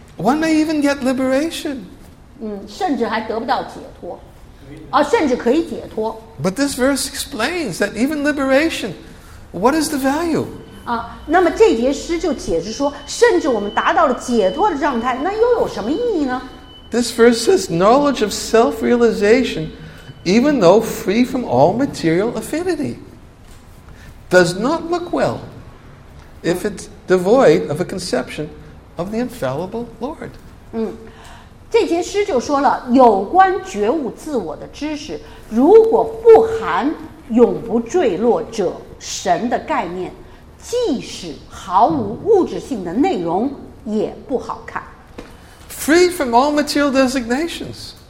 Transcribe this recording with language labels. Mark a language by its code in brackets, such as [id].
[en] One may even get liberation. [zh] 甚至还得不到解脱，甚至可以解脱。 [en] But this verse explains that even liberation What is the value? [zh] 啊，那么这节诗就解释说，甚至我们达到了解脱的状态，那又有什么意义呢？ [en] This verse says knowledge of self-realization, even though free from all material affinity, does not look well if it's devoid of a conception of the infallible Lord. [zh] 嗯，这节诗就说了，有关觉悟自我的知识，如果不含永不坠落者神的概念，即使毫无物质性的内容也不好看。 [en] Free from all material designations.